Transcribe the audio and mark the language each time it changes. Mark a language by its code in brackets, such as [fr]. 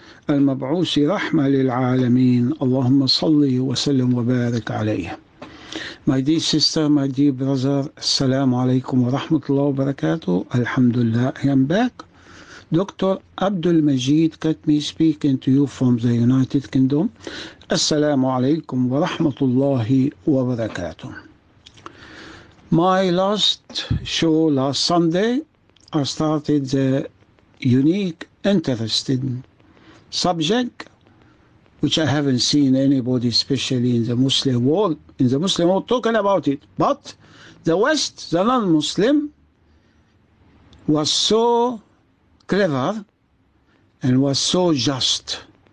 [ar] المبعوث رحمة للعالمين اللهم صلي وسلم وبارك عليه [en] My dear sister, my dear brother, [ar] السلام عليكم ورحمة الله وبركاته الحمد لله, [en] I am back. Dr. Abdul Majid Khatmi speaking to you from the United Kingdom. [ar] السلام عليكم ورحمة الله وبركاته. [en] My last show last Sunday, I started the unique, interesting subject which I haven't seen anybody, especially in the Muslim world, talking about it. But the West, the non-Muslim, was so clever and was so just.